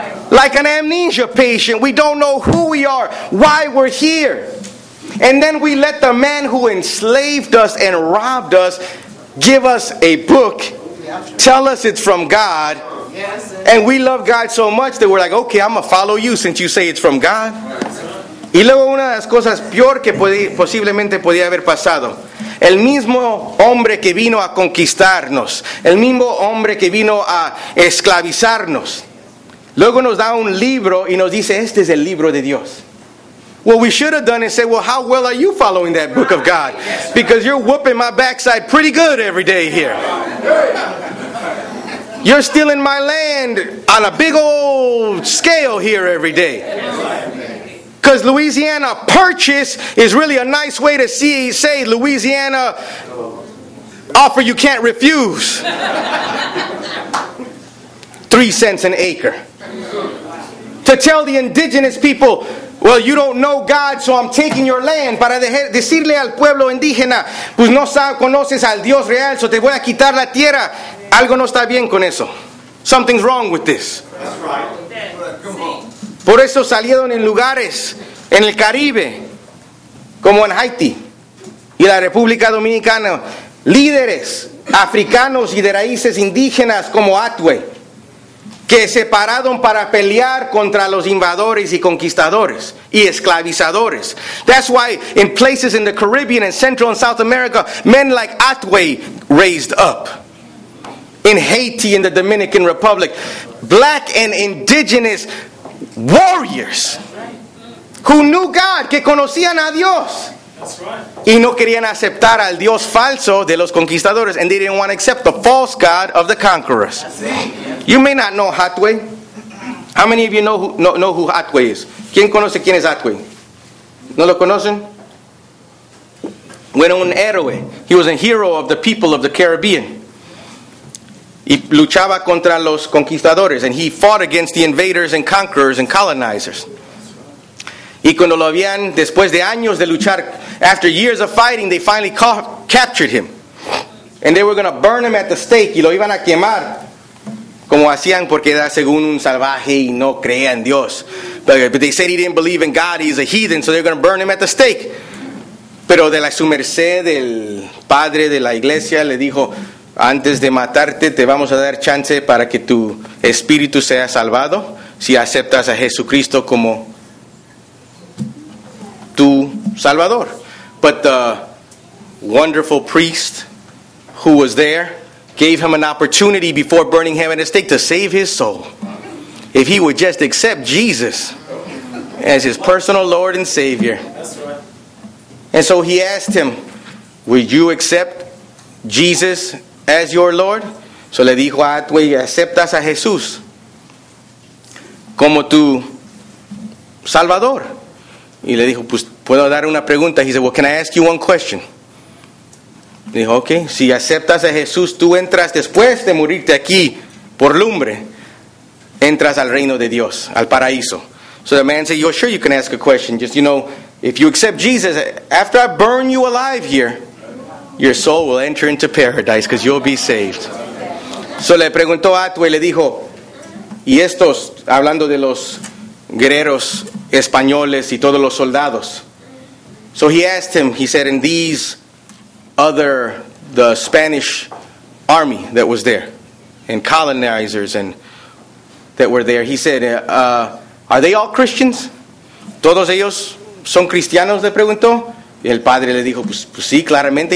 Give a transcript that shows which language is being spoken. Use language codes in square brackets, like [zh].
[en] Like an amnesia patient. We don't know who we are, why we're here. And then we let the man who enslaved us and robbed us give us a book. Tell us it's from God. And we love God so much that we're like, okay, I'm going to follow you since you say it's from God. [es] Y luego una de las cosas peor que posiblemente podía haber pasado. El mismo hombre que vino a conquistarnos. El mismo hombre que vino a esclavizarnos. Luego nos da un libro y nos dice, este es el libro de Dios. [en] What we should have done is say, well, how well are you following that book of God? Because you're whooping my backside pretty good every day here. You're stealing my land on a big old scale here every day. Because Louisiana purchase is really a nice way to see, say Louisiana offer you can't refuse. 3 cents an acre. To tell the indigenous people, well, you don't know God, so I'm taking your land. [es] Para decirle al pueblo indígena, pues no conoces al Dios real, so te voy a quitar la tierra. Algo no está bien con eso. [en] Something's wrong with this. [es] Por eso salieron en lugares en el Caribe, como en Haití y la República Dominicana, líderes africanos y de raíces indígenas como Atwe, que se pararon para pelear contra los invasores y conquistadores y esclavizadores. [en] That's why in places in the Caribbean and Central and South America, men like Atwe raised up. In Haiti and the Dominican Republic, black and indigenous warriors who knew God, [es] que conocían a Dios. Y no querían aceptar al Dios falso de los conquistadores. [en] And they didn't want to accept the false God of the conquerors. You may not know Atwe. How many of you know who Atwe is? [es] ¿Quién conoce quién es Atwe? ¿No lo conocen? Bueno, un héroe. [en] He was a hero of the people of the Caribbean. [es] Y luchaba contra los conquistadores. [en] And he fought against the invaders and conquerors and colonizers. [es] Y cuando lo habían, después de años de luchar, [en] after years of fighting, they finally captured him. And they were going to burn him at the stake. [es] Y lo iban a quemar. Como hacían porque era según un salvaje y no creía en Dios. [en] But they said he didn't believe in God, he's a heathen, so they're going to burn him at the stake. [es] Pero de la su merced, el padre de la iglesia le dijo, Antes de matarte, te vamos a dar chance para que tu espíritu sea salvado si aceptas a Jesucristo como tu Salvador. [en] But the wonderful priest who was there gave him an opportunity before burning him at a stake to save his soul. If he would just accept Jesus as his personal Lord and Savior. That's right. And so he asked him, would you accept Jesus as your Lord? [es] So le dijo a Atwey, ¿aceptas a Jesús como tu Salvador? Y le dijo, pues puedo dar una pregunta. [en] He said, well, can I ask you one question? [es] Dijo, okay, si aceptas a Jesús, tú entras después de morirte aquí por lumbre, entras al reino de Dios, al paraíso. [en] So the man said, you're sure you can ask a question. Just, you know, if you accept Jesus, after I burn you alive here, your soul will enter into paradise because you'll be saved. [es] So le preguntó a Atwey, le dijo, y estos, hablando de los guerreros españoles y todos los soldados. [en] So he asked him, he said, and these other, the Spanish army that was there, and colonizers and that were there, he said, are they all Christians? [es] ¿Todos ellos son cristianos? Le preguntó. Y el padre le dijo, pues sí, claramente.